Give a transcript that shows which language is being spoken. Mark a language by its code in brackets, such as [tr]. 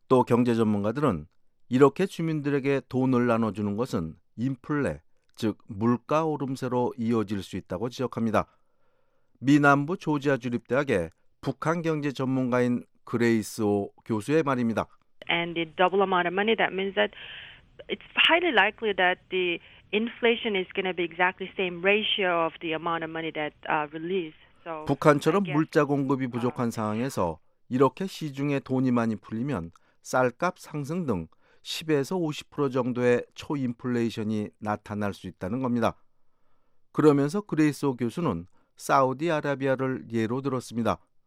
[ko] 또 경제 전문가들은 이렇게 주민들에게 돈을 나눠주는 것은 인플레, 즉 물가 오름세로 이어질 수 있다고 지적합니다. 미 남부 조지아 주립대학의 북한 경제 전문가인 그레이스 오 교수의 말입니다. [en] and the double amount of money, that means that it's highly likely that the inflation is going to be exactly the same ratio of the amount of money that released. So, [ko] 북한처럼 물자 공급이 부족한 상황에서 이렇게 시중에 돈이 많이 풀리면 쌀값 상승 등 10에서 50% 정도의 초인플레이션이 나타날 수 있다는 겁니다. 그러면서 그레이스 오 교수는 사우디아라비아를 예로 들었습니다.